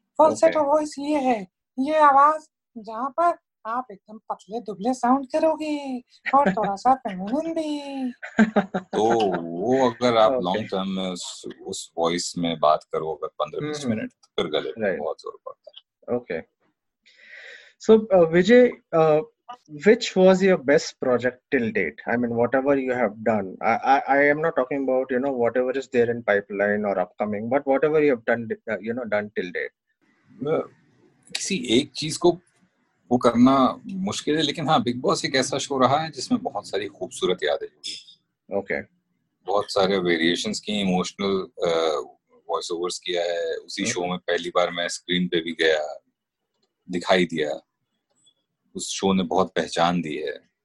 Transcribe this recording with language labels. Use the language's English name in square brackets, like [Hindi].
[Hindi] Falsetto voice ये है, ये आवाज जहाँ पर आप एकदम पतले दुबले साउंड करोगे और थोड़ा सा फेमिनिन भी। तो वो अगर आप लॉन्ग टर्म में उस वॉइस में बात करो अगर 15-20 मिनट तो फिर गले बहुत जोर पड़ता है। [English] Okay, so Vijay, which was your best project till date? I mean, whatever you have done, I am not talking about, you know, whatever is there in pipeline or upcoming, but whatever you have done, you know, done till date. [Hindi] किसी एक चीज को वो करना मुश्किल है, लेकिन हाँ बिग बॉस एक ऐसा शो रहा है जिसमें बहुत सारी खूबसूरत यादें जुड़ी। [English] okay, [Hindi] बहुत सारे वेरिएशंस की, इमोशनल वॉइस ओवर्स किया है उसी शो में। पहली बार मैं स्क्रीन पे भी गया, दिखाई दिया, उस शो ने बहुत पहचान दी है।